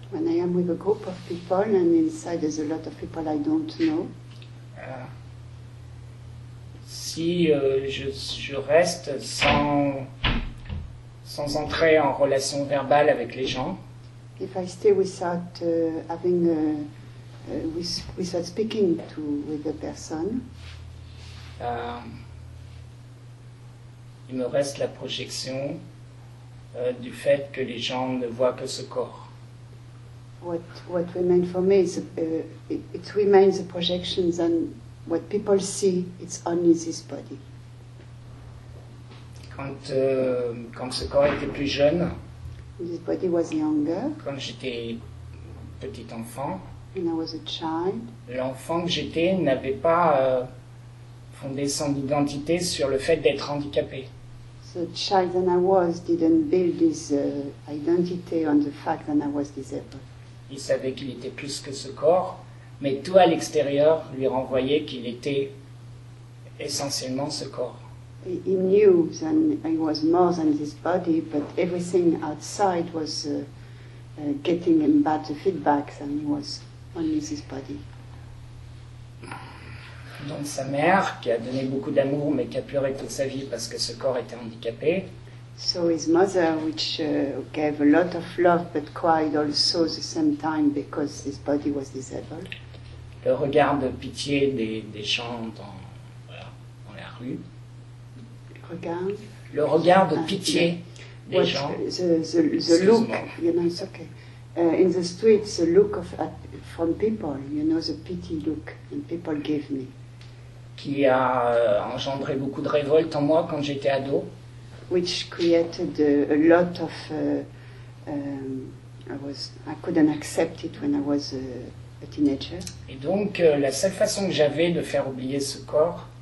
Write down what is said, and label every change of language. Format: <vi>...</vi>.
<en>when I am with a group of people and inside there's a lot of people I don't know.</en> <fr>Si je reste sans entrer en relation verbale avec les gens.</fr> <en>If I stay without having without speaking to with the person.</en> <fr>Il me reste la projection du fait que les gens ne voient que ce corps.</fr> <en>What remains for me is it remains the projections, and what people see, it's only this body.</en> <fr>Quand ce corps était plus jeune,</fr> <en>this body was younger.</en> <fr>Quand j'étais petit enfant,</fr> <en>when I was a child,</en> <fr>l'enfant que j'étais n'avait pas fondé son identité sur le fait d'être handicapé.</fr> <en>The child that I was didn't build his identity on the fact that I was disabled.</en> <fr>Il savait qu'il était plus que ce corps, mais tout à l'extérieur lui renvoyait qu'il était essentiellement ce corps.</fr> <en>He knew that he was more than this body, but everything outside was getting him bad feedback that he was only this body.</en> <fr>Donc sa mère, qui a donné beaucoup d'amour, mais qui a pleuré toute sa vie parce que ce corps était handicapé.</fr> <en>So his mother, which gave a lot of love, but cried also at the same time because his body was disabled.</en> <fr>Le regard de pitié des gens dans la rue. Regard. Le regard de pitié des gens.</fr> <en>The look, you know, it's okay. In the streets, the look of from people, you know, the pity look that people gave me.</en> <fr>Qui a engendré beaucoup de révolte en moi quand j'étais ado.</fr> <en>Which created a lot of I couldn't accept it when I was a teenager.</en> <fr>Et donc la seule façon que j'avais de faire oublier ce corps.</fr>